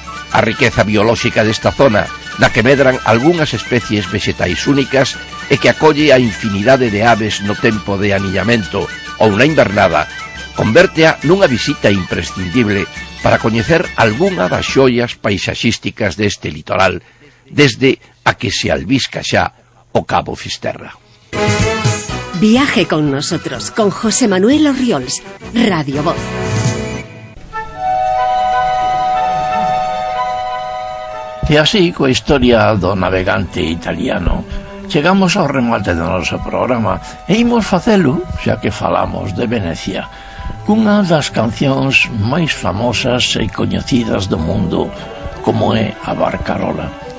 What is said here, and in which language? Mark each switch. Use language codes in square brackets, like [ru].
[gl] A riqueza biolóxica desta zona, na que medran algunhas especies vegetais únicas e que acolle a infinidade de aves no tempo de aniñamento ou na invernada, convértea nunha visita imprescindible para coñecer algunha das xoias paisaxísticas deste litoral, desde a que se albisca xa o Cabo Fisterra. [es] Viaje con nosotros, con José Manuel Orriols, Radio Voz. [gl] E así, coa historia do navegante italiano, chegamos ao remate do noso programa e imos facelo, xa que falamos de Venecia, cunha das cancións máis famosas e coñecidas do mundo, como é a Barcarola.